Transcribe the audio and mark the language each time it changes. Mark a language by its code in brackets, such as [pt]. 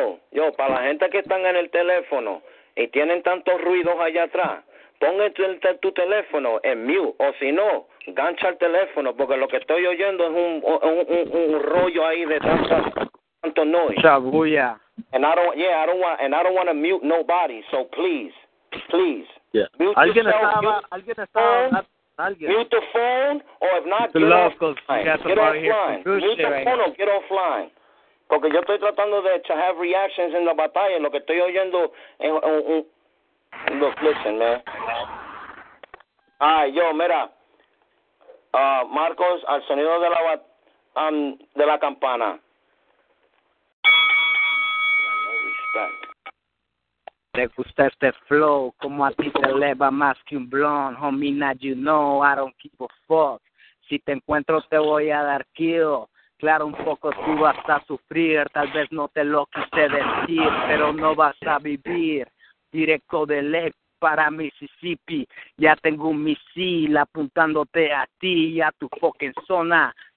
[es] Yo, para la gente que están en el teléfono y tienen tantos ruidos allá atrás, pon tu teléfono en mute, o si no, gancha el teléfono, porque lo que estoy oyendo es un rollo ahí de tanto noise. Chabuya. [en] And I don't want to mute nobody, so please. Yeah. Mute the phone, or if not, get offline. [es] Porque yo estoy tratando de [en] to have reactions [es] en la batalla, lo que estoy oyendo es un [en] Look, listen, man. [es] Ay, yo, mira. Marcos, al sonido de la campana. Te gusta este flow, como a ti te eleva más que un blunt. [en] Homie, now you know, I don't give a fuck. [es] Si te encuentro, te voy a dar kill. Claro, un poco tú vas a sufrir. Tal vez no te lo quise decir, pero no vas a vivir. Directo de Lex para Mississippi. Ya tengo un misil apuntándote a ti y a tu fucking zona.